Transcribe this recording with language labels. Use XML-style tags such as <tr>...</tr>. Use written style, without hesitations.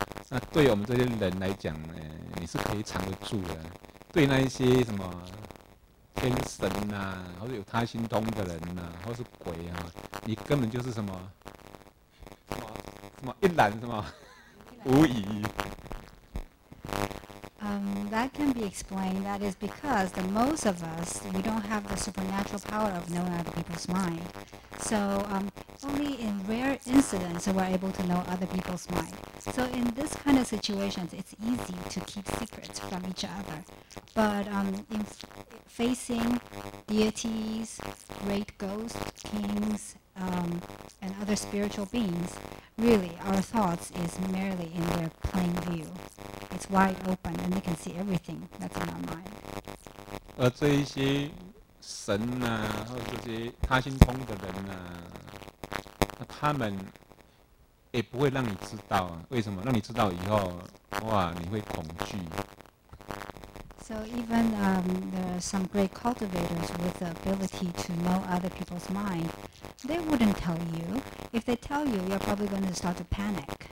<zh>那对我们这些人来讲，你是可以藏得住的。对那一些什么天神啊，或者有他心通的人啊，或是鬼啊，你根本就是什么一览什么无遗。</zh> <en>That can be explained. That is because the most of us, we don't have the supernatural power of knowing other people's mind. So only in rare incidents we're able to know other people's mind. So in this kind of situations, it's easy to keep secrets from each other. But in facing deities, great ghosts, kings, and other spiritual beings, really our thoughts is merely in their plain view. It's wide open, and they can see everything that's in our mind.</en> <zh>而这一些神啊，或者这些他心通的人啊，那他们也不会让你知道啊。为什么？让你知道以后，哇，你会恐惧。</zh> <en>So even there are some great cultivators with the ability to know other people's mind, they wouldn't tell you. If they tell you, you're probably going to start to panic.</en>